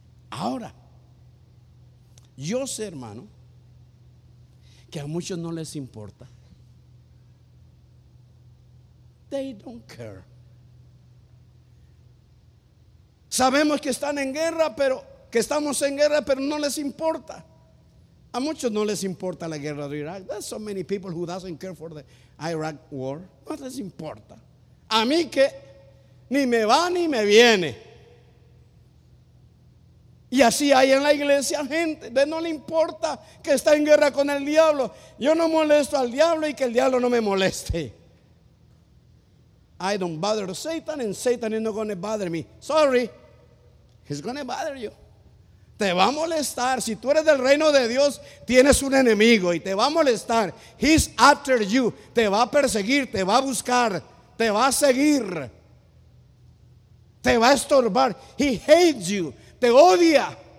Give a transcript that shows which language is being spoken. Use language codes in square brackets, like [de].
[es] Ahora, yo sé, hermano, que a muchos no les importa. [en] They don't care. [es] Sabemos que están en guerra, pero que estamos en guerra, pero no les importa. A muchos no les importa la guerra de Irak. [en] There's so many people who doesn't care for the Iraq war. [es] No les importa. A mí que ni me va ni me viene. Y así hay en la iglesia gente, de no le importa que está en guerra con el diablo. Yo no molesto al diablo y que el diablo no me moleste. [en] I don't bother Satan and Satan is not going to bother me. Sorry, he's going to bother you. [es] Te va a molestar. Si tú eres del reino de Dios, tienes un enemigo y te va a molestar. [en] He's after you. [es] Te va a perseguir, te va a buscar, te va a seguir, te va a estorbar. [en] He hates you. [es] Te odia.